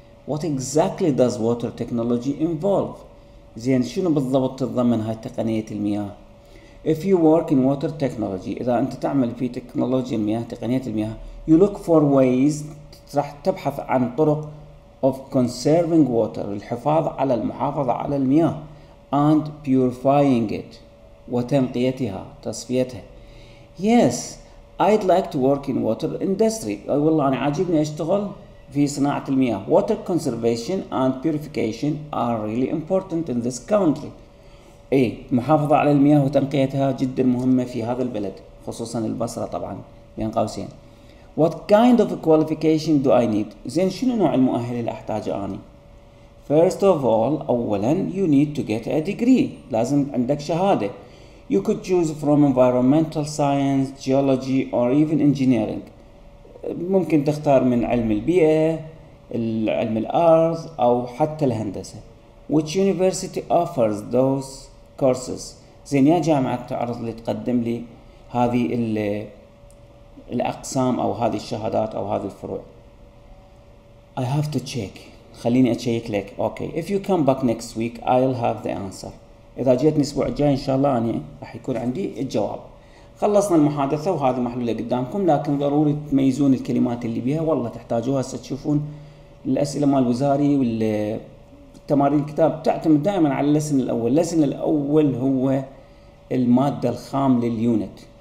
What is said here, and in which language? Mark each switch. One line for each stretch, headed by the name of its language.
English: What exactly does water technology involve؟
Arabic: زين شنو بالضبط تتضمن هاي تقنية المياه؟
English: If you work in water technology،
Arabic: إذا أنت تعمل في تكنولوجيا المياه، تقنية المياه،
English: you look for ways،
Arabic: راح تبحث عن طرق
English: of conserving water،
Arabic: الحفاظ على المحافظة على المياه،
English: and purifying it،
Arabic: وتنقيتها، تصفيتها.
English: Yes, I'd like to work in water industry.
Arabic: والله أنا عاجبني أشتغل في صناعة المياه.
English: Water conservation and purification are really important in this country.
Arabic: اي محافظة على المياه وتنقيتها جدا مهمة في هذا البلد، خصوصا البصرة طبعا بين قوسين.
English: What kind of qualification do I need؟
Arabic: زين شنو نوع المؤهل اللي احتاجه اني؟
English: First of all،
Arabic: اولا
English: you need to get a degree،
Arabic: لازم عندك شهادة.
English: You could choose from environmental science, geology, or even engineering.
Arabic: ممكن تختار من علم البيئة، علم الأرض، أو حتى الهندسة.
English: Which university offers those courses؟
Arabic: زين يا جامعة تعرض اللي تقدم لي هذه الأقسام أو هذه الشهادات أو هذه الفروع.
English: I have to check.
Arabic: خليني أتشيك لك.
English: Okay. If you come back next week, I'll have the answer.
Arabic: إذا جيتني الأسبوع الجاي إن شاء الله أنا راح يكون عندي الجواب. خلصنا المحادثة وهذه محلولة قدامكم، لكن ضروري تميزون الكلمات اللي بيها، والله تحتاجوها. هسه تشوفون الأسئلة مال الوزاري والتمارين الكتاب تعتمد دائما على اللسن الأول. اللسن الأول هو المادة الخام لليونت.